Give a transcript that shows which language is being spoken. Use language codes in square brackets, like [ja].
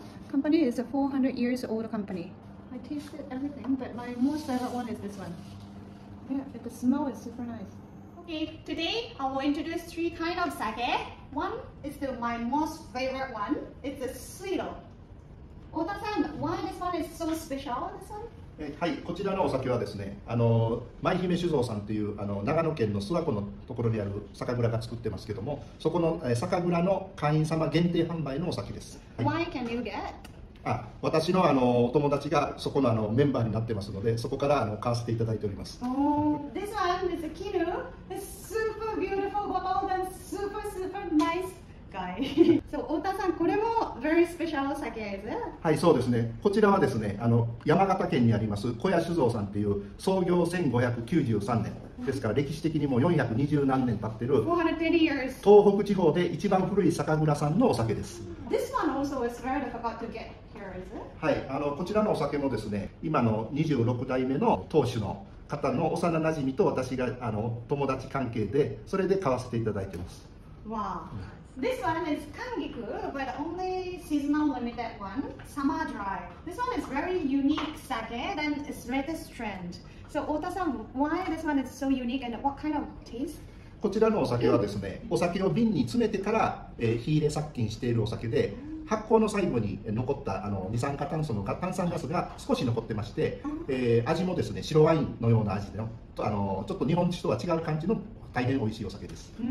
[en] I tasted everything, but my most favorite one is this one. Yeah, the smell is super nice. Okay, today I will introduce three kinds of sake. One is my most favorite one. It's the sweet one. Ota-san, why this one is so special, this one? [ja] はい、こちらのお酒はですね、舞姫酒造さんというあの長野県の諏訪湖のところにある酒蔵が作ってますけども、そこの酒蔵の会員様限定販売のお酒です。はい、 [en] Why can you get? [ja] あ、私のお友達がそこ のメンバーになってますので、そこから買わせていただいております。 [en] Oh, this one is a Kiru, a super beautiful bottle and super super nice guy. So, Ota-san, [ja] これも [en] very special sake is it? [ja] はい、そうですね。こちらはですね、山形県にあります小屋酒造さんっていう、創業1593年ですから、歴史的にもう420何年経ってる東北地方で一番古い酒蔵さんのお酒です。 [en] This one also is very difficult to get here, is it? [ja] はい、こちらのお酒もですね、今の26代目の当主の方の幼馴染と私が友達関係で、それで買わせていただいてます。 [en] Wow! This one is kangiku, but only seasonal limited one, summer dry. This one is very unique sake and it's latest trend. So, Ota-san, why this one is so unique and what kind of taste? [ja] こちらのお酒はですね、お酒を瓶に詰めてから、火入れ殺菌しているお酒で、発酵の最後に残った二酸化炭素の炭酸ガスが少し残ってまして、味もですね、白ワインのような味でのちょっと日本酒とは違う感じの大変美味しいお酒です。